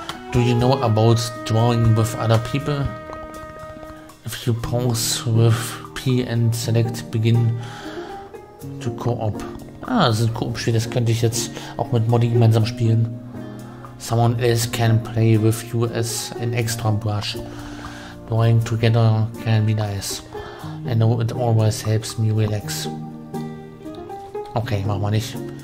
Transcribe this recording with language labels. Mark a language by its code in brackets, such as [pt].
[en] Do you know about drawing with other people? If you pause with P and select begin to co-op. [de] Ah, das ist ein Co-op-Spiel, das könnte ich jetzt auch mit Modi gemeinsam spielen. [en] Someone else can play with you as an extra brush. Drawing together can be nice. I know it always helps me relax. [de] Okay, machen wir nicht.